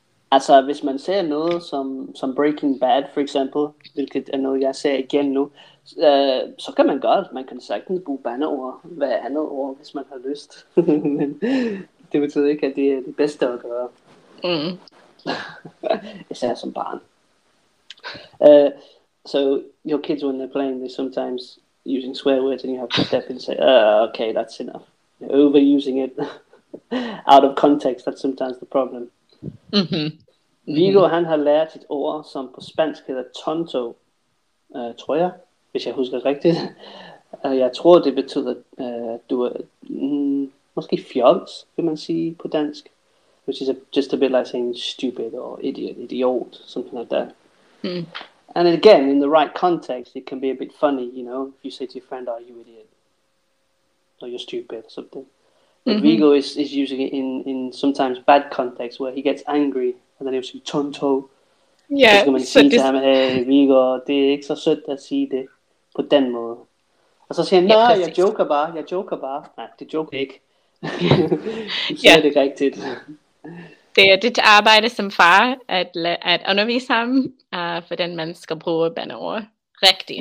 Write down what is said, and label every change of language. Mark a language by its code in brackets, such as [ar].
[da] Altså, hvis man ser noget som Breaking Bad, for eksempel, hvilket er noget, jeg ser igen nu, så kan man godt. Man kan sagtens bruge bandeord, hvad andet ord, hvis man har lyst. Men det betyder ikke, at det er det bedste at gøre. Mm. Især som barn. [en] So, your kids, when they're playing, they're sometimes using swear words, and you have to step in and say, okay, that's enough. You're overusing it out of context, that's sometimes the problem. Mm-hmm. [da] Vigo, han har lært et ord, som på spansk hedder tonto, tror jeg, hvis jeg husker rigtigt. Jeg tror, det betyder, at du er måske fjols, vil man sige på dansk. [en] Which is just a bit like saying stupid or idiot, something like that. Mm. And again, in the right context, it can be a bit funny, you know, if you say to your friend, are you idiot? Or you're stupid or something. But mm-hmm. Vigo is using it in sometimes bad context where he gets angry and then he'll say tonto. Yeah. [da] Så man siger til ham, hey Vigo, det er ikke så sødt at sige det på den måde. Og så siger han, nej, jeg joker bare. Nej, det joker ikke. [en] Yeah. [da] Det er det rigtigt. Det er dit arbejde som far at undervise ham, for den man skal bruge bandeord rigtigt.